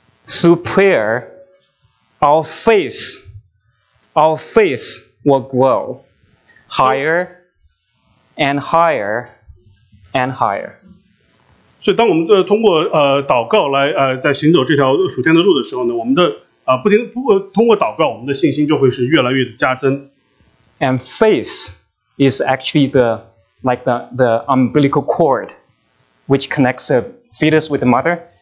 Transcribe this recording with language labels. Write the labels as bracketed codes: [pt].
[en] Through prayer, our faith will grow higher and higher and higher. [zh] 所以当我们通过祷告来在行走这条属天的路的时候呢，我们的不停不通过祷告，我们的信心就会是越来越的加增。 [en] And faith is actually the umbilical cord which connects the fetus with the mother.